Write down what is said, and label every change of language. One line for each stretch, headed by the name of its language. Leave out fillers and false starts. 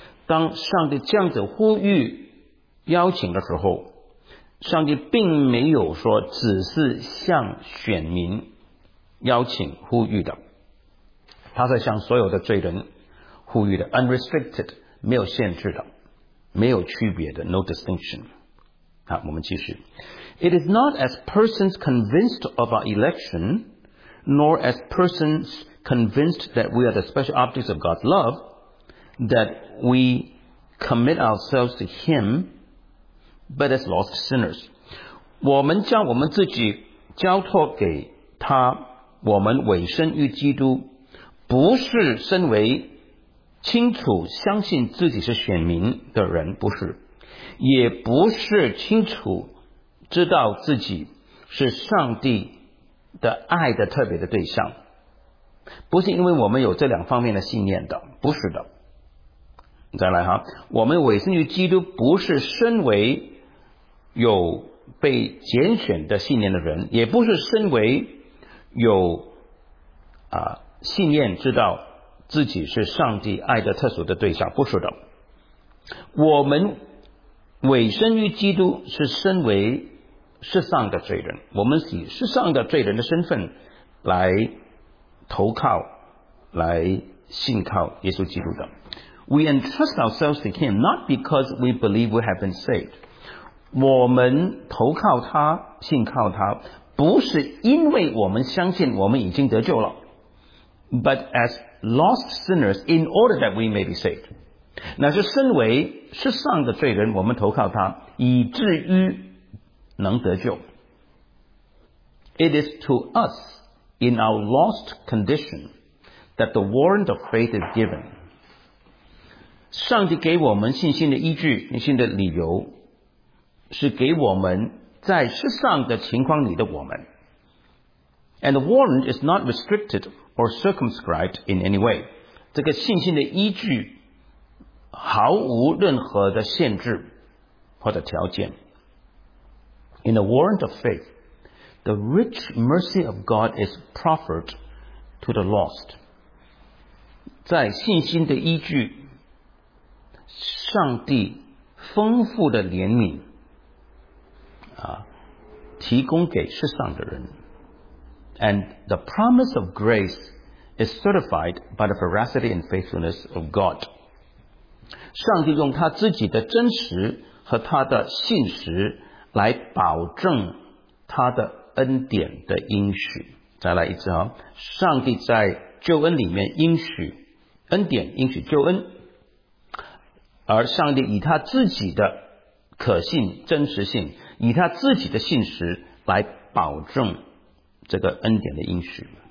Chinese: 当上帝这样子呼吁邀请的时候，上帝并没有说只是向选民邀请呼吁的，他是向所有的罪人呼吁的， unrestricted， 没有限制的，没有区别的， no distinction。好，我们继续。
English: It is not as persons convinced of our election nor as persons convinced that we are the special objects of God's love that we commit ourselves to Him but as lost sinners。
Chinese: 我们将我们自己交托给他，我们委身于基督，不是身为清楚相信自己是选民的人，不是，也不是清楚知道自己是上帝的爱的特别的对象，不是因为我们有这两方面的信念的，不是的。再来哈，我们委身于基督不是身为有被拣选的信念的人，也不是身为有信念知道自己是上帝爱的特殊的对象，不是的。我们委身于基督是身为世上的罪人，我们以世上的罪人的身份来投靠，来信靠耶稣基督的。
English: We entrust ourselves to Him not because we believe we have been saved，
Chinese: 我们投靠他信靠他不是因为我们相信我们已经得救了，
English: but as lost sinners in order that we may be saved，
Chinese: 那是身为世上的罪人我们投靠他以至于能得救。
English: It is to us in our lost condition that the warrant of faith is given。
Chinese: 上帝给我们信心的依据，信心的理由是给我们在世上的情况里的我们。
English: And the warrant is not restricted or circumscribed in any way。
Chinese: 这个信心的依据毫无任何的限制或者条件。
English: In the warrant of faith, the rich mercy of God is proffered to the lost.
Chinese: 在信心的依据，上帝丰富的怜悯提供给世上的人。
English: And the promise of grace is certified by the veracity and faithfulness of God.
Chinese: 上帝用他自己的真实和他的信实来保证他的恩典的应许。再来一次啊，上帝在救恩里面应许恩典，应许救恩，而上帝以他自己的可信真实性，以他自己的信实来保证这个恩典的应许。